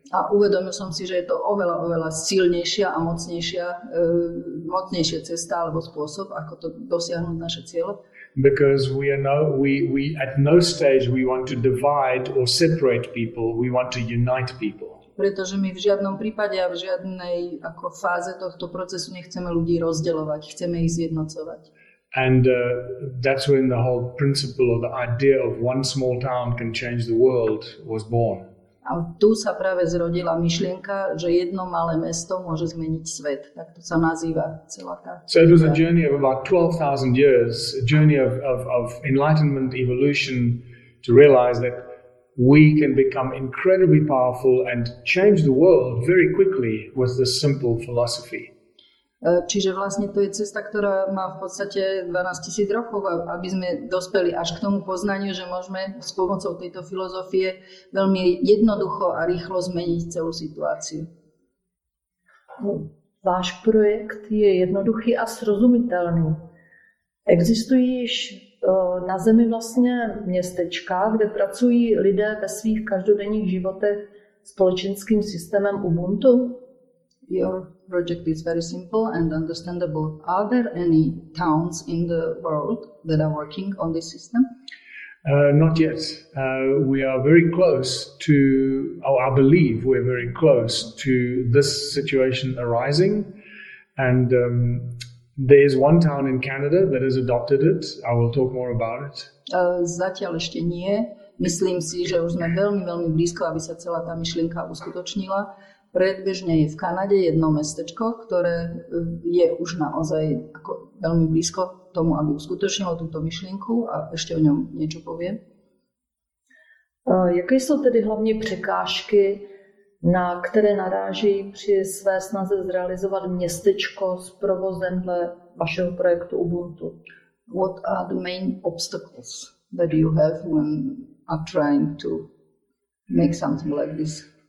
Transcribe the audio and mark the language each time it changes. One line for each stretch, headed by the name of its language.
Slovak: A uvedomil som si, že je to oveľa, oveľa silnejšia a mocnejšia cesta alebo spôsob, ako to dosiahnuť naše cieľe.
English: Because we at no stage we want to divide or separate people, we want to unite people.
Slovak: Pretože my v žiadnom prípade a v žiadnej ako fáze tohto procesu nechceme ľudí rozdeľovať, chceme ich zjednocovať.
English: And that's when the whole principle of the idea of one small town can change the world was born.
Slovak: A tu sa práve zrodila myšlienka, že jedno malé mesto môže zmeniť svet. Tak to sa nazýva celá tá.
English: So it was a journey of about 12,000 years, a journey of enlightenment evolution to realize that we can become incredibly powerful and change the world very quickly with this simple philosophy.
Slovak: Čiže vlastne to je cesta, ktorá má v podstate 12,000 rokov, aby sme dospeli až k tomu poznaniu, že môžeme s pomocou tejto filozofie veľmi jednoducho a rýchlo zmeniť celú situáciu.
Czech: Váš projekt je jednoduchý a srozumiteľný. Existují již na Zemi vlastne městečka, kde pracují lidé ve svých každodenních životech společenským systémem Ubuntu?
English: Your project is very simple and understandable. Are there any towns in the world that are working on this system? Not yet. We are very close to, or I believe we're very close to this situation arising. And there is one town in Canada that has adopted it. I will talk more about it.
Slovak: Zatiaľ ešte nie. Myslím si, že už sme veľmi, veľmi blízko, aby sa celá tá myšlienka uskutočnila. Predbežne je v Kanade jedno mestečko, ktoré je už naozaj ako veľmi blízko tomu, aby uskutočnilo túto myšlienku, a ešte o ňom niečo poviem.
Czech: Jaké sú tedy hlavne prekážky, na ktoré naráží pri své snaze zrealizovať mestečko s provozem dle vašeho projektu Ubuntu?
English: What are the main obstacles that you have when are trying to make something like this?